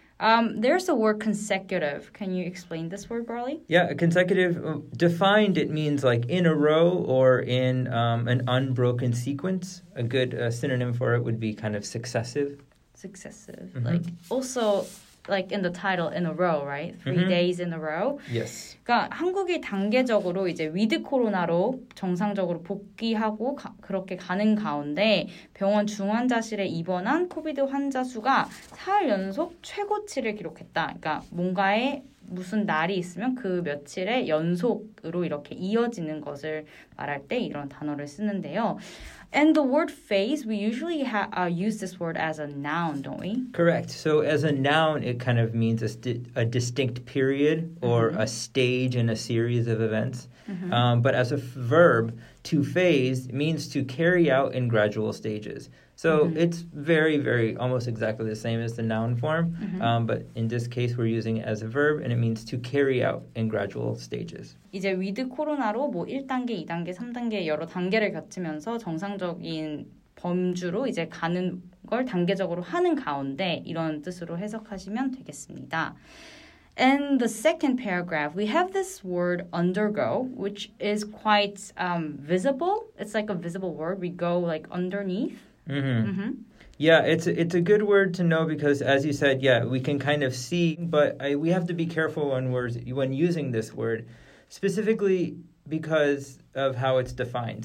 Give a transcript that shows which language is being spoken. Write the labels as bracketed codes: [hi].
[en] There's the word consecutive. Can you explain this word, Broly? Yeah, consecutive. Defined, it means like in a row or in an unbroken sequence. A good synonym for it would be kind of successive. Successive. Mm-hmm. Like also like in the title, in a row, right? Three mm-hmm. days in a row. Yes. [ko] 그러니까 한국이 단계적으로 이제 위드 코로나로 정상적으로 복귀하고 그렇게 가는 가운데 병원 중환자실에 입원한 코비드 환자 수가 4일 연속 최고치를 기록했다. 그러니까 뭔가에 무슨 날이 있으면 그 며칠에 연속으로 이렇게 이어지는 것을 말할 때 이런 단어를 쓰는데요. [en] And the word phase, we usually use this word as a noun, don't we? Correct. So as a noun, it kind of means a distinct period or mm-hmm. a stage in a series of events. Mm-hmm. But as a verb, to phase means to carry out in gradual stages. So mm-hmm. it's very, very, almost exactly the same as the noun form. Mm-hmm. But in this case, we're using it as a verb, and it means to carry out in gradual stages. [ko] 이제 위드 코로나로 뭐 1단계, 2단계, 3단계 여러 단계를 거치면서 정상적인 범주로 이제 가는 걸 단계적으로 하는 가운데 이런 뜻으로 해석하시면 되겠습니다. [en] In the second paragraph, we have this word undergo, which is quite visible. It's like a visible word. We go like underneath. Mm-hmm. Mm-hmm. Yeah, it's a good word to know because, as you said, yeah, we can kind of see, but we have to be careful when using this word, specifically because of how it's defined.